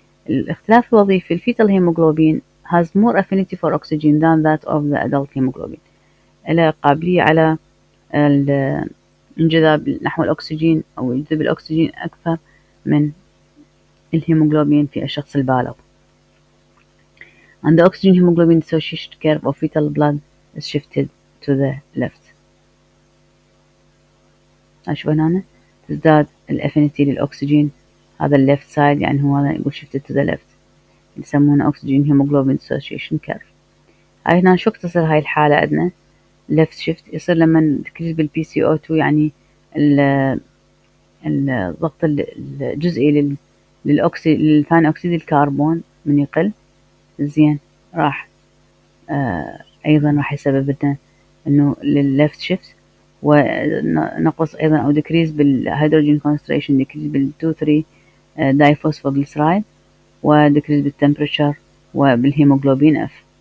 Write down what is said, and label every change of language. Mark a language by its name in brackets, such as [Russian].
[Arabic] الاختلاف الوظيفي الفيتال هيموجلوبين [English] has more affinity for oxygen than that of the adult hemoglobin [Arabic] له قابلية على الانجذاب نحو الاكسجين او يجذب الاكسجين اكثر من الهيموجلوبين في الشخص البالغ. [English] and the oxygen hemoglobin dissociation curve of fetal blood is shifted to the left. [Arabic] أشوف هنا تزداد الأفينيتي للأكسجين هذا left side يعني هو هذا يقول shifted to the left يسمونه oxygen hemoglobin dissociation curve. هاي هنا شو تصير هاي الحالة عندنا left shift يصير لما تكريس بال PCO2 يعني الضغط الجزئي للثاني أكسيد الكربون من يقل زين راح أيضا راح يسبب لنا إنه للليفت شيفت ونقص أيضا أو ديكريز بالهيدروجين كونستريشن ديكريز بالتو ثري دايفوسفوغليسرايد وديكريز بالتمبرشر وبالهيموغلوبين F.